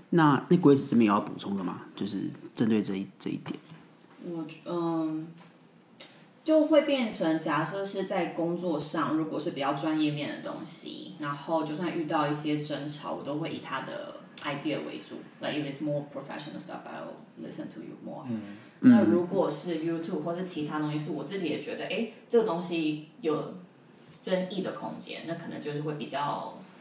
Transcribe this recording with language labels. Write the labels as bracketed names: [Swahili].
[Chinese] 那鬼子这边有要补充的吗？就是针对这一点，我就会变成假设是在工作上，如果是比较专业面的东西，然后就算遇到一些争吵，我都会以他的 idea 为主。 [English] Like if it's more professional stuff, I'll listen to you more.、嗯、 [Chinese] 那如果是 YouTube 或是其他东西，是我自己也觉得，哎、欸，这个东西有争议的空间，那可能就是会比较。